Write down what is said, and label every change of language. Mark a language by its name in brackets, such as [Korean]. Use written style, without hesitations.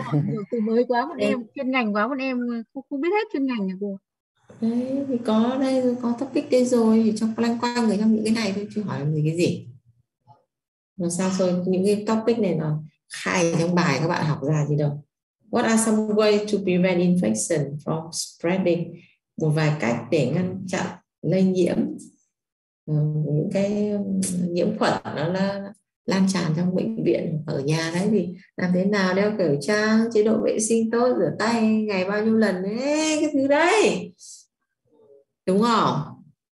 [Vietnamese] Bạn. nhiều từ mới quá bọn Đây. em, chuyên ngành quá bọn em, cô không biết hết chuyên ngành nhà cô. Đấy thì có đây, có topic đây rồi thì cho loanh quanh người trong những cái này thôi chứ hỏi người cái gì. Nó xa xôi, những cái topic này là khai trong bài các bạn học ra gì đâu. [English] What are some ways to prevent infection from spreading? [Vietnamese] Một vài cách để ngăn chặn lây nhiễm. Những cái nhiễm khuẩn nó là lan tràn trong bệnh viện ở nhà đấy, thì làm thế nào đeo khẩu trang, chế độ vệ sinh tốt, rửa tay ngày bao nhiêu lần đấy, cái thứ đấy đúng không?